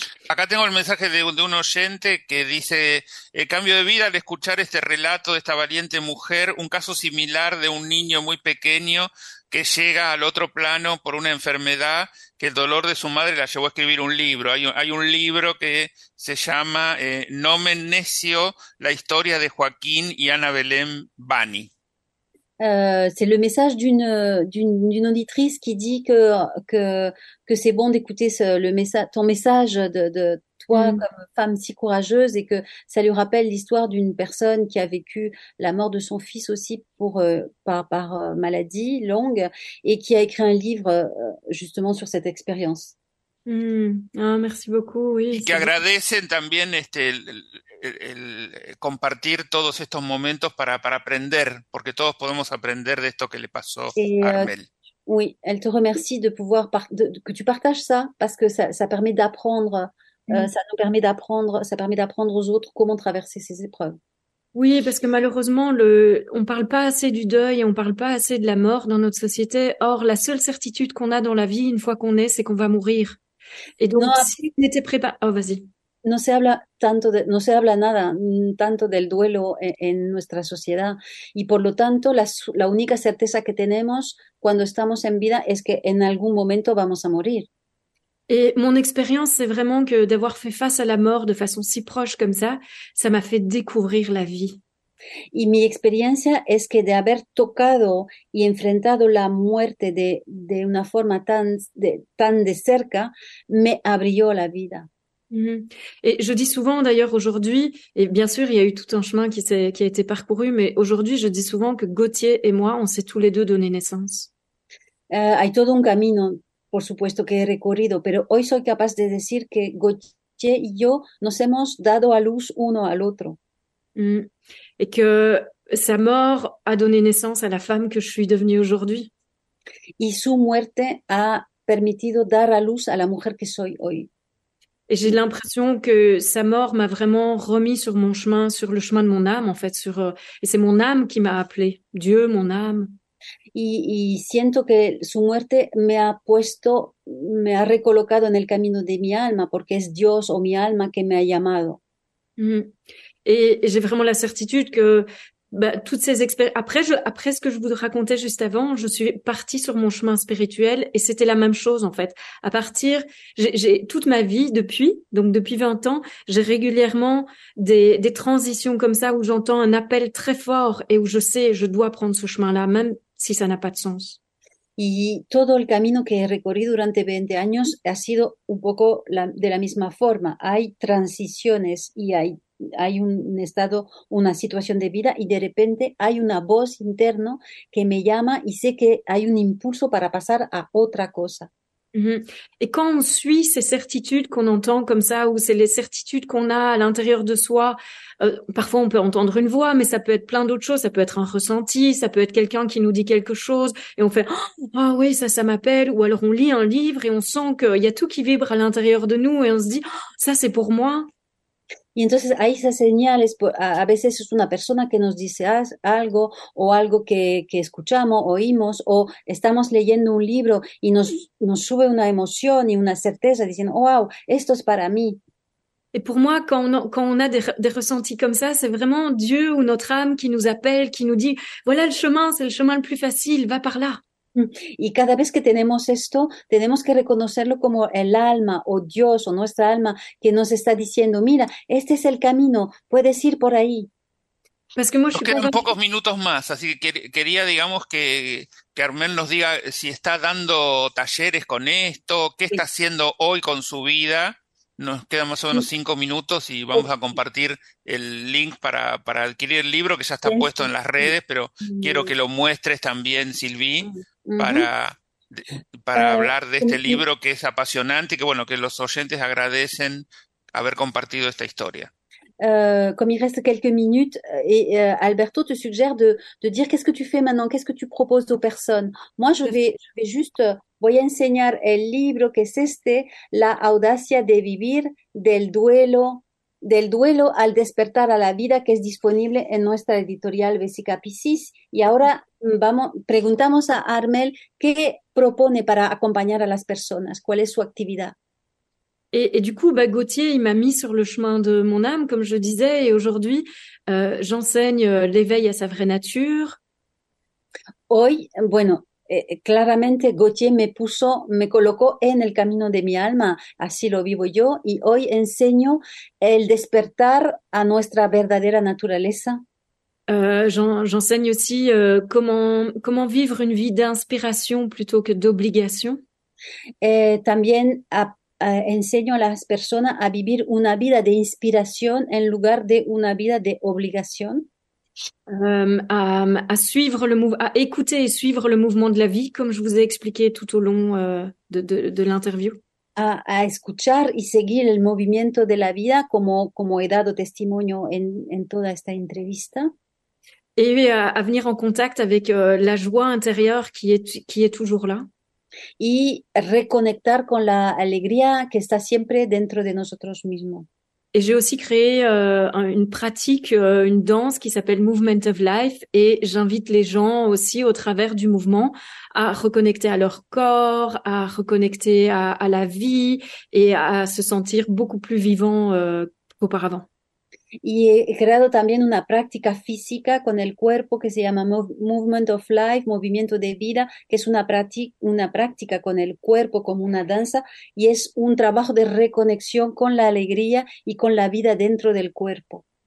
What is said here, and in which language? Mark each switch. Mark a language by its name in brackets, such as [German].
[Spanish] Acá tengo el mensaje de un oyente que dice, cambio de vida al escuchar este relato de esta valiente mujer, un caso similar de un niño muy pequeño que llega al otro plano por una enfermedad que el dolor de su madre la llevó a escribir un libro. Hay un libro que se llama Nomen Necio, la historia de Joaquín y Ana Belén Bani. [French] C'est le message d'une auditrice qui dit que c'est bon d'écouter ton message de toi comme femme si courageuse et que ça lui rappelle l'histoire d'une personne qui a vécu la mort de son fils aussi par maladie longue et qui a écrit un livre justement sur cette expérience. Ah, merci beaucoup, oui. Et qui [Spanish] agradecen también el compartir todos estos momentos para aprender, porque todos podemos aprender de esto que le pasó a Armel. [French] Oui, elle te remercie de pouvoir que tu partages ça, parce que ça permet d'apprendre, ça nous permet d'apprendre, ça permet d'apprendre aux autres comment traverser ces épreuves. Oui, parce que malheureusement, on parle pas assez du deuil, on parle pas assez de la mort dans notre société. Or, la seule certitude qu'on a dans la vie, une fois qu'on est, c'est qu'on va mourir. Et donc, si on était préparé... Oh, vas-y. [Spanish] No se habla nada tanto del duelo en nuestra sociedad y por lo tanto la única certeza que tenemos cuando estamos en vida es que en algún momento vamos a morir. [French] Et mon expérience c'est vraiment que d'avoir fait face à la mort de façon si proche comme ça, ça m'a fait découvrir la vie. [Spanish] Y mi experiencia es que de haber tocado y enfrentado la muerte de una forma tan de cerca me abrió la vida. [French] Et je dis souvent d'ailleurs aujourd'hui, et bien sûr il y a eu tout un chemin qui a été parcouru, mais aujourd'hui je dis souvent que Gauthier et moi on s'est tous les deux donné naissance. [Spanish] Hay todo un camino por supuesto que he recorrido, pero hoy soy capaz de decir que Gauthier y yo nos hemos dado a luz uno al otro. [French] Et que sa mort a donné naissance à la femme que je suis devenue aujourd'hui. [Spanish] Y su muerte ha permitido dar a luz a la mujer que soy hoy. [French] Et j'ai l'impression que sa mort m'a vraiment remis sur mon chemin, sur le chemin de mon âme, en fait, et c'est mon âme qui m'a appelé, Dieu, mon âme. [Spanish] Y siento que su muerte me ha recolocado en el camino de mi alma, porque es Dios o mi alma que me ha llamado. [French] Et j'ai vraiment la certitude que bah, toutes ces expériences. Après ce que je vous racontais juste avant, je suis partie sur mon chemin spirituel et c'était la même chose en fait. À partir, j'ai toute ma vie depuis 20 ans, j'ai régulièrement des transitions comme ça où j'entends un appel très fort et où je sais je dois prendre ce chemin-là, même si ça n'a pas de sens. [Spanish] Y todo el camino que he recorrido durante 20 años ha sido un poco de la misma forma. Hay transiciones y hay un estado, una situación de vida y de repente hay una voz interna que me llama y sé que hay un impulso para pasar a otra cosa. [French] Et quand on suit ces certitudes qu'on entend comme ça, ou c'est les certitudes qu'on a à l'intérieur de soi, parfois on peut entendre une voix, mais ça peut être plein d'autres choses, ça peut être un ressenti, ça peut être quelqu'un qui nous dit quelque chose, et on fait « Ah oh, oui, ça m'appelle », ou alors on lit un livre et on sent qu'il y a tout qui vibre à l'intérieur de nous, et on se dit oh, « Ça, c'est pour moi ». [Spanish] Y entonces hay esas señales, a veces es una persona que nos dice algo o algo que escuchamos, oímos, o estamos leyendo un libro y nos sube una emoción y una certeza diciendo, wow, esto es para mí. [French] Et pour moi, quand on a des ressentis comme ça, c'est vraiment Dieu ou notre âme qui nous appelle, qui nous dit, voilà le chemin, c'est le chemin le plus facile, va par là. [Spanish] Y cada vez que tenemos esto, tenemos que reconocerlo como el alma o Dios o nuestra alma que nos está diciendo, mira, este es el camino, puedes ir por ahí. [French] Parce que moi, je [Spanish] Nos [French] suis pas [Spanish] quedan [French] convaincue. [Spanish] pocos minutos más, así que quería, digamos, que Armel nos diga si está dando talleres con esto, qué está haciendo hoy con su vida. Nos quedan más o menos 5 minutos y vamos a compartir el link para adquirir el libro que ya está puesto en las redes, pero quiero que lo muestres también, Silvín, para hablar de este libro que es apasionante y que bueno, que los oyentes agradecen haber compartido esta historia. [French] Comme il reste quelques minutes, Alberto te suggère de dire qu'est-ce que tu fais maintenant, qu'est-ce que tu proposes aux personnes. [Spanish] Moi, voy a enseñar el libro que es este, La audacia de vivir del duelo al despertar a la vida, que es disponible en nuestra editorial Vesica Piscis. Y ahora preguntamos a Armel qué propone para acompañar a las personas, cuál es su actividad. [French] Et du coup, bah, Gauthier, il m'a mis sur le chemin de mon âme, comme je disais, et aujourd'hui, j'enseigne l'éveil à sa vraie nature. [Spanish] Hoy, bueno, claramente Gauthier me colocó en el camino de mi alma, así lo vivo yo, y hoy enseño el despertar a nuestra verdadera naturaleza. [French] J'enseigne aussi comment vivre une vie d'inspiration plutôt que d'obligation. [Spanish] También enseño a las personas a vivir una vida de inspiración en lugar de una vida de obligación. [French] À suivre le mouvement, à écouter et suivre le mouvement de la vie, comme je vous ai expliqué tout au long de l'interview. [Spanish] A escuchar y seguir el movimiento de la vida, como he dado testimonio en toda esta entrevista. [French] Et à venir en contact avec la joie intérieure qui est toujours là. [Spanish] Y reconectar con la alegría que está siempre dentro de nosotros mismos. [French] Et j'ai aussi créé une pratique, une danse qui s'appelle Movement of Life. Et j'invite les gens aussi, au travers du mouvement, à reconnecter à leur corps, à reconnecter à la vie et à se sentir beaucoup plus vivant qu'auparavant. [Spanish] Y he creado también una práctica física con el cuerpo que se llama Movement of Life, movimiento de vida, que es una práctica con el cuerpo como una danza y es un trabajo de reconexión con la alegría y con la vida dentro del cuerpo.